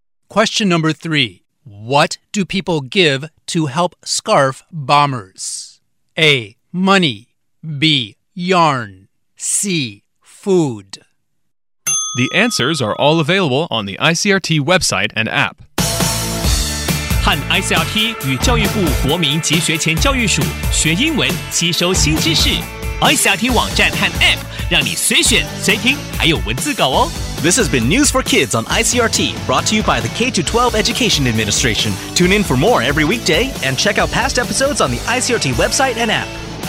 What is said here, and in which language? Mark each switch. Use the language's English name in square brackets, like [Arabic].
[English] Question number three. What do people give to help scarf bombers? A. Money. B. Yarn. C. Food. The answers are all available on the ICRT website and app. [Chinese] 和 ICRT 与教育部国民及学前教育署学英文，吸收新知识。 ICRT 网站和 App 让你随选随听，还有文字稿哦。 [English] This has been News for Kids on ICRT, brought to you by the K-12 Education Administration. Tune in for more every weekday and check out past episodes on the ICRT website and app.